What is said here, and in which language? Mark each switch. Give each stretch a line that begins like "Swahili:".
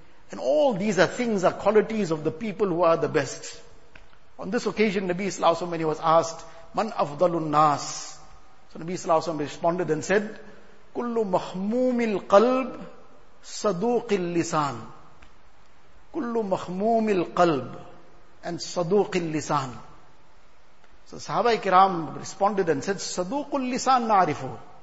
English: And all these are things, are qualities of the people who are the best. On this occasion, Nabi Sallallahu Alaihi Wasallam, when he was asked,
Arabic: Man afdalun nas?
English: So Nabi Sallallahu Alaihi Wasallam responded and said,
Arabic: كل مخموم القلب صدوق اللسان. كل مخموم القلب
English: and
Arabic: صدوق اللسان.
English: So Sahaba Ikram responded and said,
Arabic: صدوق اللسان نعرفه.